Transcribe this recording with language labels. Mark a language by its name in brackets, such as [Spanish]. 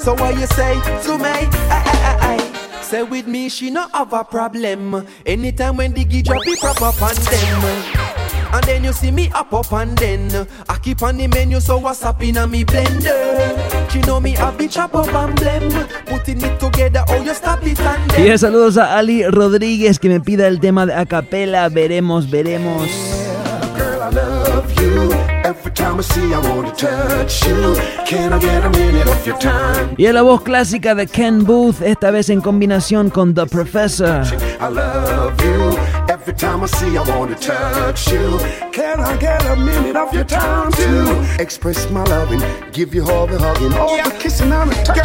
[English] So what you say to me? I. Say with me, she no have a problem. Anytime when diggy drop, be prop up on them. And then you see me up and then I keep on the menu, so what's up in a me blender? She know me have been chop up and blem. Putting it together, oh, you stop it and then. [Spanish] Y saludos a Ali Rodríguez, que me pida el tema de acapella. Veremos, veremos. [English] Every time I see, I wanna touch you. Can I get a minute of your time? [Spanish] Y a la voz clásica de Ken Booth, esta vez en combinación con The Professor. [English] I love you. Every time I see, I wanna touch you. Can I get a minute of your time to express my loving, give you all the hugging, all the kissing and the touching.